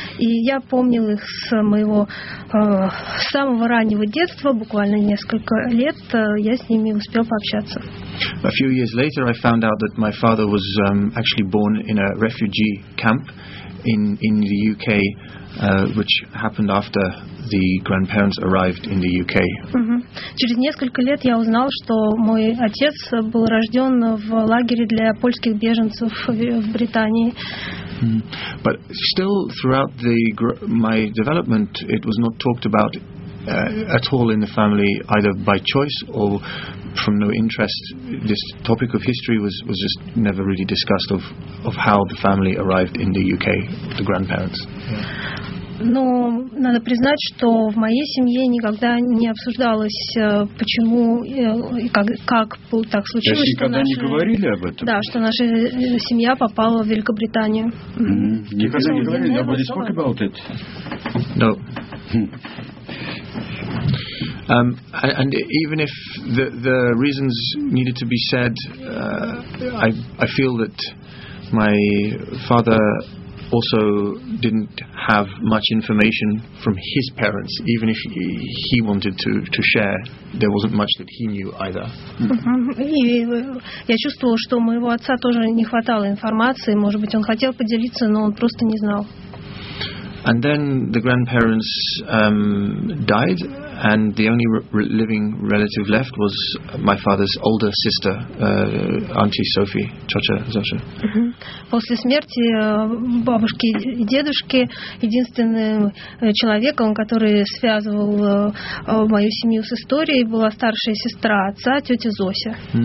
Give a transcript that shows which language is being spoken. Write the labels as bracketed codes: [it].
[ru] И я помнил их с моего самого раннего детства, буквально несколько лет я с ними успел пообщаться. [en] A few years later I found out that my father was actually born in a refugee camp in the UK. Which happened after the grandparents arrived in the UK. [ru] Через несколько лет я узнал, что мой отец был рожден в лагере для польских беженцев в Британии. [en] But still, throughout my development, it was not talked about at all in the family, either by choice or from no interest. This topic of history was just never really discussed of how the family arrived in the UK, the grandparents. Yeah. [ru] Но надо признать, что в моей семье никогда не обсуждалось, почему и как так случилось. То есть никогда не говорили об этом? Да, что наша семья попала в Великобританию. Mm-hmm. Никогда не говорили. [en] Nobody spoke about it. No. And even if the reasons needed to be said, I feel that my father also didn't have much information from his parents. Even if he wanted to share, there wasn't much that he knew either. [ru] Я чувствовала, что у моего отца тоже не хватало информации. Может быть, он хотел поделиться, но он просто не знал. [en] And then the grandparents died, and the only living relative left was my father's older sister, Auntie Sophie, Chacha Zosha. [ru] После смерти бабушки и дедушки единственным человеком, который связывал мою семью с историей, была старшая сестра отца, тетя Зося.